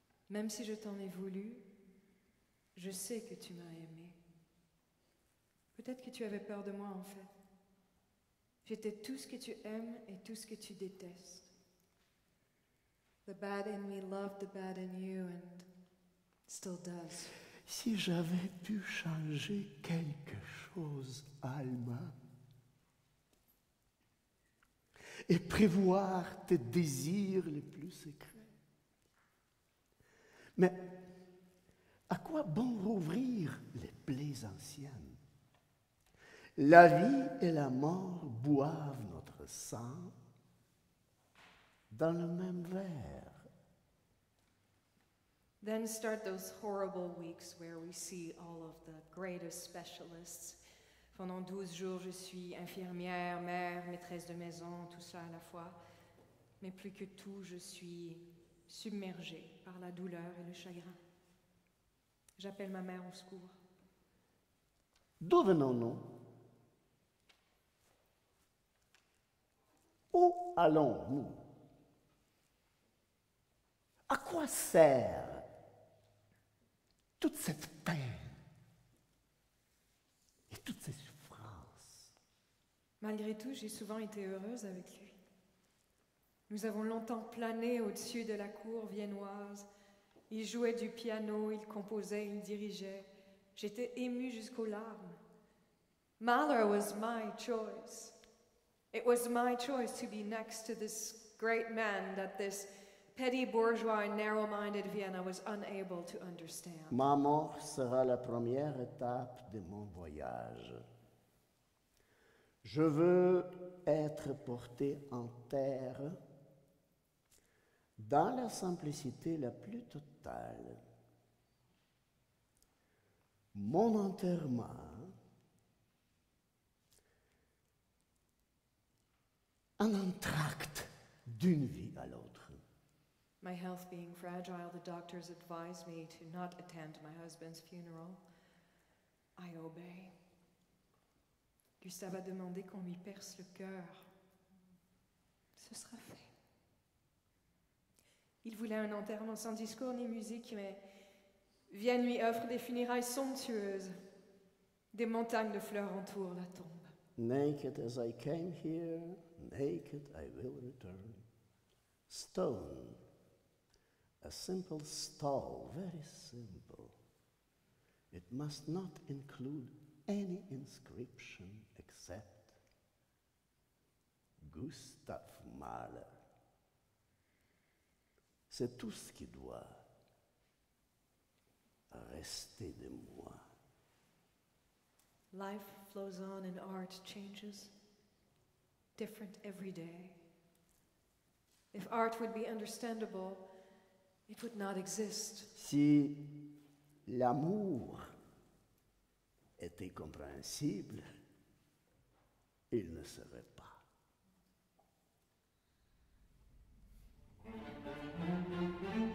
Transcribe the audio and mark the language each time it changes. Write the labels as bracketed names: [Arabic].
[French] Même si je t'en ai voulu, je sais que tu m'as aimé. Peut-être que tu avais peur de moi, en fait. J'étais tout ce que tu aimes et tout ce que tu détestes. [English] The bad in me loved the bad in you and still does. [French] Si j'avais pu changer quelque chose, Alma, et prévoir tes désirs les plus secrets, mais à quoi bon rouvrir les plaies anciennes? La vie et la mort boivent notre sang dans le même verre. [English] Then start those horrible weeks where we see all of the greatest specialists. [French] Pendant 12 jours, je suis infirmière, mère, maîtresse de maison, tout ça à la fois. Mais plus que tout, je suis submergée par la douleur et le chagrin. J'appelle ma mère au secours. D'où venons-nous? Où allons-nous? À quoi sert toute cette peine et toutes ces souffrances? Malgré tout, j'ai souvent été heureuse avec lui. Nous avons longtemps plané au-dessus de la cour viennoise Il jouait du piano, il composait, il dirigeait. J'étais émue jusqu'aux larmes. [English] Mahler was my choice. It was my choice to be next to this great man that this petty bourgeois, narrow-minded Vienna was unable to understand. [French] Ma mort sera la première étape de mon voyage. Je veux être porté en terre dans la simplicité la plus totale. Mon enterrement un entracte d'une vie à l'autre. [English] My health being fragile, the doctors advise me to not attend my husband's funeral. I obey. [French] Gustave a demandé qu'on lui perce le cœur. Ce sera fait. Il voulait un enterrement sans discours ni musique, mais Vienne lui offre des funérailles somptueuses. Des montagnes de fleurs entourent la tombe. [English] Naked as I came here, naked I will return. Stone, a simple stall, very simple. It must not include any inscription except Gustav Mahler. [French] C'est tout ce qui doit rester de moi. [English] Life flows on and art changes, different every day. If art would be understandable, it would not exist. [French] Si l'amour était compréhensible, il ne serait pas.